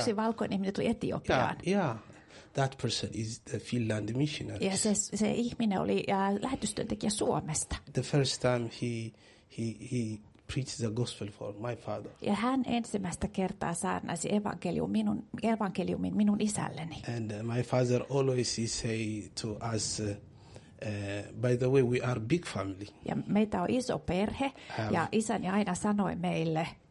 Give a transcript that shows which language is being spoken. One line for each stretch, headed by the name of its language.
Finnish: Yksi valkoinen ihminen tuli Etiopiaan.
English: Yeah. That person is the Finland missionary.
Finnish: Ja se ihminen oli lähetystyöntekijä Suomesta.
English: The first time he preached the gospel for my father.
Finnish: Ja hän ensimmäistä kertaa saarnasi evankeliumin minun isälleni.
English: And my father always he say to us, by the way, we are big family.
Finnish: Ja meitä on iso perhe. Ja isäni aina sanoi meille.